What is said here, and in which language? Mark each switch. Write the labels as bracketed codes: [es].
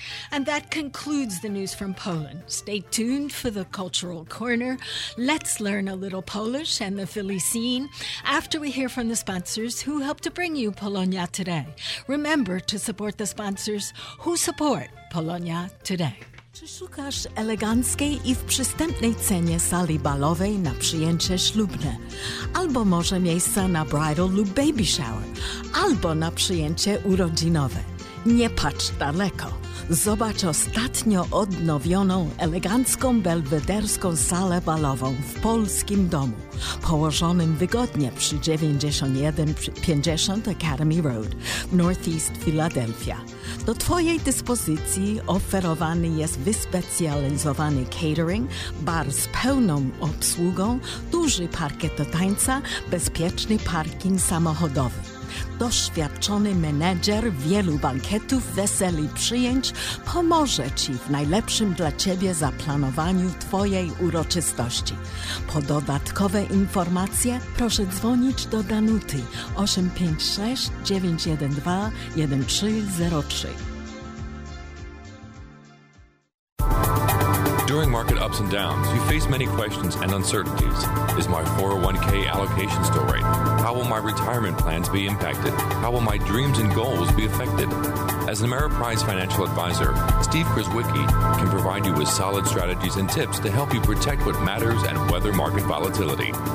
[en] And that concludes the news from Poland. Stay tuned for the Cultural Corner. Let's learn a little Polish and the Philly scene after we hear from the sponsors who helped to bring you Polonia Today. Remember to support the sponsors who support Polonia Today. [pl] Czy szukasz eleganckiej i w przystępnej cenie sali balowej na przyjęcie ślubne? Albo może miejsca na bridal lub baby shower? Albo na przyjęcie urodzinowe? Nie patrz daleko. Zobacz ostatnio odnowioną elegancką belwederską salę balową w polskim domu, położonym wygodnie przy 9150 Academy Road, Northeast Philadelphia. Do Twojej dyspozycji oferowany jest wyspecjalizowany catering, bar z pełną obsługą, duży parkiet do tańca, bezpieczny parking samochodowy. Doświadczony menedżer wielu bankietów, weseli, przyjęć pomoże Ci w najlepszym dla Ciebie zaplanowaniu Twojej uroczystości. Po dodatkowe informacje proszę dzwonić do Danuty 856-912-1303. [en] During market ups and downs, you face many questions and uncertainties. Is my 401k allocation still right? How will my retirement plans be impacted? How will my dreams and goals be affected? As an Ameriprise financial advisor, Steve Krzyzewski can provide you with solid strategies and tips to help you protect what matters and weather market volatility.